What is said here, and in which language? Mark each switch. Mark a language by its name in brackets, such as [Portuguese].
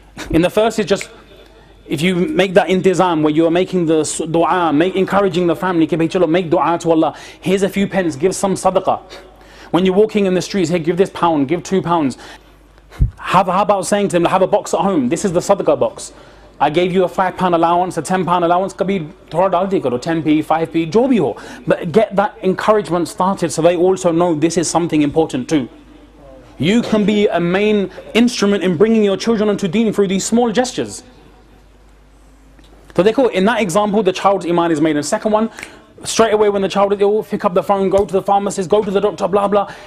[English] In the first, it's just, if you make that intizam where you are making the dua, encouraging the family, [Hindi] ke bhai chalo, [English] make dua to Allah, here's a few pence, give some sadaqah. When you're walking in the streets, hey, give this pound, give 2 pounds. How about saying to them, have a box at home. This is the sadaqah box. I gave you a £5 allowance, a £10 allowance. [Hindi] कभी थोड़ा डालती करो, 10p, 5p, जो भी हो। [English] But get that encouragement started so they also know this is something important too. You can be a main instrument in bringing your children onto deen through these small gestures. So they call it, in that example, the child's iman is made. And second one, straight away when the child is ill, pick up the phone, go to the pharmacist, go to the doctor, blah blah.